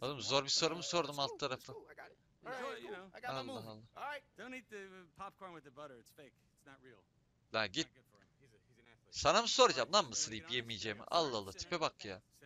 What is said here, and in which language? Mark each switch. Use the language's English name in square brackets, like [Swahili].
[Turkish] Oğlum zor bir soru mu sordum alt tarafı? Allah Allah. [English] All right, don't eat the popcorn with the butter. It's fake. [Turkish] Lan git. Sana mı soracağım lan mısırıp yemeyeceğimi? Allah Allah, tipe bak ya.